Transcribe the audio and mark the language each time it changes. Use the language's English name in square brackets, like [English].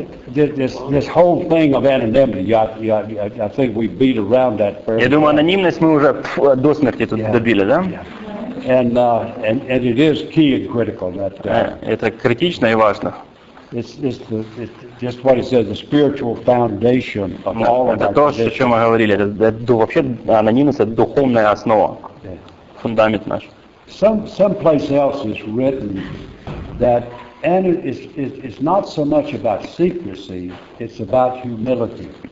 [English] This whole thing of anonymity, I think we beat around that first. [Russian] Я думаю, анонимность мы уже до смерти тут добили, да? [English] Yeah. And it is key and critical that. [Russian] Это критично и важно. [English] It's just what it says, the spiritual foundation of all of our religions. [Russian] Это то, о чем мы говорили. Это вообще анонимность, это духовная основа, фундамент наш. [English] Someplace else is written that it's not so much about secrecy, it's about humility.